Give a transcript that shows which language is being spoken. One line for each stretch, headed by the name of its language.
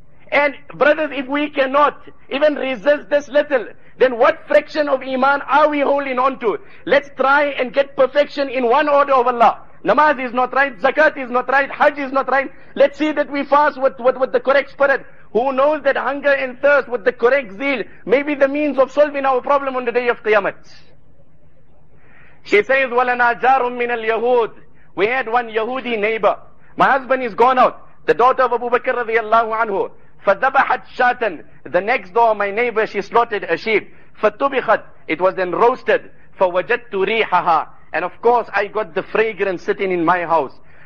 English: And brothers, if we cannot even resist this little, then what fraction of Iman are we holding on to? Let's try and get perfection in one order of Allah. Namaz is not right, zakat is not right, hajj is not right. Let's see that we fast with the correct spirit. Who knows that hunger and thirst with the correct zeal may be the means of solving our problem on the day of Qiyamah. She says,
Arabic: وَلَنَا جَارٌ مِّنَ الْيَهُودِ.
English: We had one Yahudi neighbor. My husband is gone out. The daughter of Abu Bakr radiallahu anhu.
Arabic: فَذَبَحَتْ شَاتًا.
English: The next door, my neighbor, she slaughtered a sheep.
Arabic: فَتُبِخَتْ.
English: It was then roasted.
Arabic: فَوَجَدْتُ رِيحَهَا.
English: And of course, I got the fragrance sitting in my house.